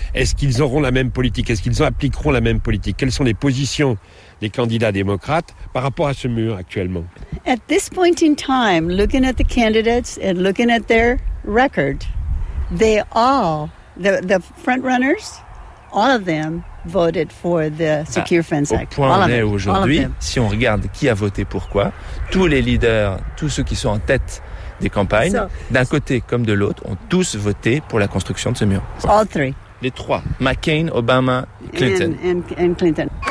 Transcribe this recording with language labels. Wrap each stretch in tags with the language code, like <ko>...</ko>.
<fr>Est-ce qu'ils auront la même politique? Est-ce qu'ils appliqueront la même politique? Quelles sont les positions des candidats démocrates par rapport à ce mur actuellement?</fr> <en>At this point in time, looking at the candidates and looking at their record, they all, the front runners, all of them voted for the Secure Fence Act.</en> <fr>Au point où on est aujourd'hui, si on regarde qui a voté pourquoi, tous les leaders, tous ceux qui sont en tête des campagnes, d'un côté comme de l'autre, ont tous voté pour la construction de ce mur.</fr> <en>All three.</en> <fr>Les trois. McCain, Obama, Clinton.</fr> <en>And Clinton.</en>